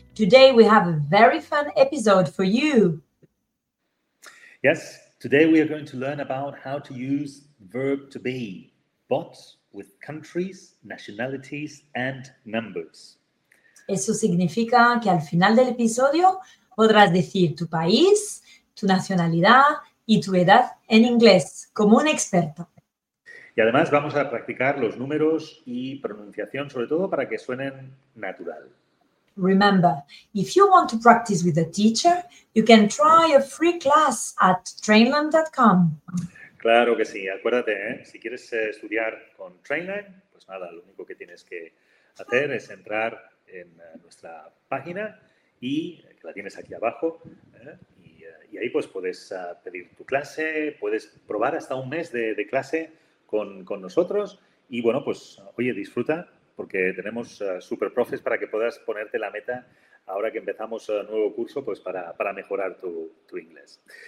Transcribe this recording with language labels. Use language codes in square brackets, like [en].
[en] Today we have a very fun episode for you. Yes, today we are going to learn about how to use verb to be, but with countries, nationalities and numbers. [es] Eso significa que al final del episodio podrás decir tu país, tu nacionalidad y tu edad en inglés, como un experto. Y además vamos a practicar los números y pronunciación, sobre todo para que suenen natural. [en] Remember, if you want to practice with a teacher, you can try a free class at trainland.com. [es] Claro que sí, acuérdate, ¿eh? Si quieres estudiar con Trainland, pues nada, lo único que tienes que hacer es entrar en nuestra página y que la tienes aquí abajo, ¿eh? Y ahí pues puedes pedir tu clase, puedes probar hasta un mes de clase con nosotros y bueno, pues oye, disfruta porque tenemos super profes para que puedas ponerte la meta ahora que empezamos un nuevo curso, pues para mejorar tu inglés.